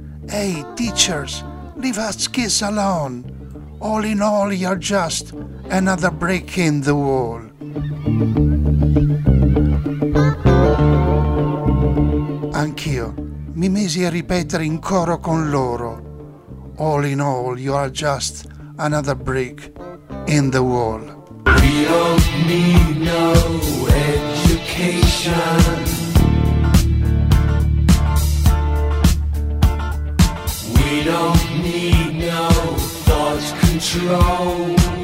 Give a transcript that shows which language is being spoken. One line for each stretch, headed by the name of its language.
English: Hey, teachers, leave us kids alone. All in all, you're just another brick in the wall.
Italian: Anch'io mi misi a ripetere in coro con loro.
English: All in all, you are just another brick in the wall. We don't need no education. We don't need no thought control.